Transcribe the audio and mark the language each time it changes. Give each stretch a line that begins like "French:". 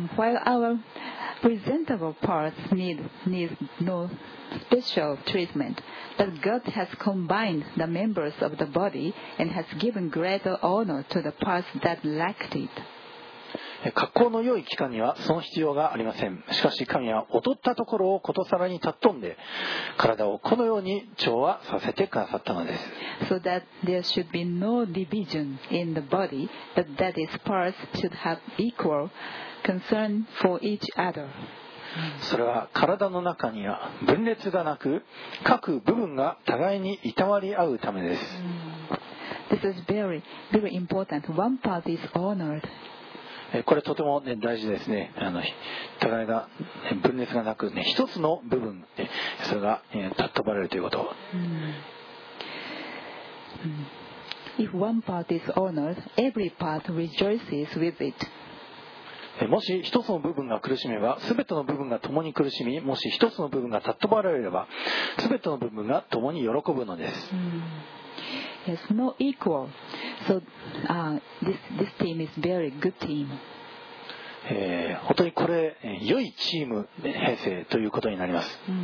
English: While our presentable parts need no special treatment, but God has combined the members of the body and has given greater honor to the parts that lacked it.
Japanese: 格好の良い器官にはその必要がありません。しかし神は劣ったところをことさらに尊んで、体をこのように調和させてくださったのです。
English: So that there should be no division in the body, but that its parts should have equal concern for each other.
Japanese: それは体の中には分裂がなく、各部分が互いにいたわり合うためです。
English: This is very, very important. One part is honored.
Japanese: これとても、ね、大事ですね。あの互いが分裂がなく、ね、一つの部分、それが尊ばれるということ。
English: If one part is honored, every part rejoices with it.
Japanese: もし一つの部分が苦しめば、すべての部分が共に苦しみ、もし一つの部分が尊ばれれば、すべての部分が共に喜ぶのです。
English: Yes, no equal. So, this team is very good team.
Japanese: 本当にこれ、良いチーム編成ということになります。